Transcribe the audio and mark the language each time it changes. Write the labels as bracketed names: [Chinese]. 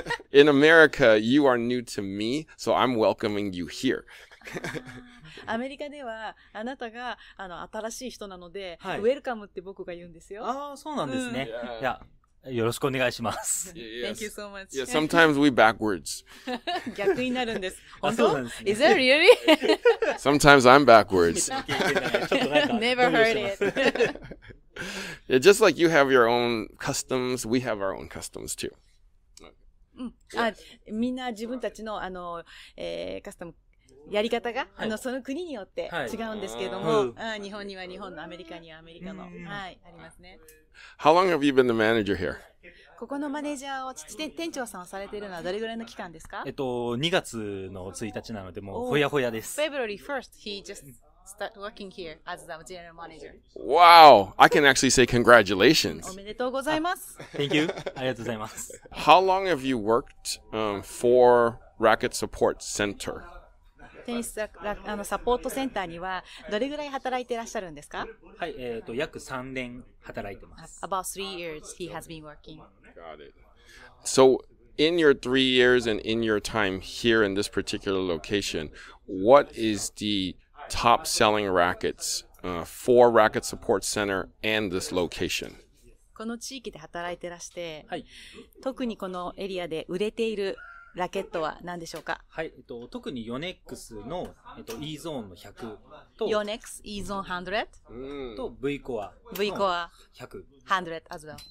[English] In America, you are new to me, so I'm welcoming you here. [Japanese] アメリカではあなたがあの新しい人なので、はい、ウェルカムって僕が言うんですよ。ああ、そうなんですね。うん、いや、よろしくお願いします。 [English] Yeah, Thank you so much. Yeah, sometimes we backwards. [Japanese] 逆になるんです。本当？ね、 [English] Is that really? Sometimes I'm backwards. Never heard it. Yeah, just like you have your own customs, we have our own customs too. [Japanese] みんな自分たちのあの、カスタムやり方が、はい、あのその国によって違うんですけれども、はい、日本には日本の、アメリカにはアメリカの、はい、ありますね。 [English] How long have you been the manager here? [Japanese] ここのマネージャーを、店長さんをされているのはどれぐらいの期間ですか？ 2月の1日なので、もうほやほやです。 [English] February 1st, he just started working here as the general manager. Wow! I can actually say congratulations! [Japanese] おめでとうございます。 [English] Thank you. [Japanese] ありがとうございます。 [English] How long have you worked for Racket Support Center? [Japanese] テニスあのサポートセンターにはどれぐらい働いていらっしゃるんですか？はい、約3年働いてます。 [English] About 3 years he has been working. Got it. So in your 3 years and in your time here in this particular location, what is the top selling rackets for Racket Support Center and this location? [Japanese] この地域で働いてらして、はい、特にこのエリアで売れているラケットは何でしょうか？はい、特にヨネックスの、E ゾーンの100 と、ヨネックス E ゾーン100、うん、と V コア、 V コア 100、 [English] 100 as well。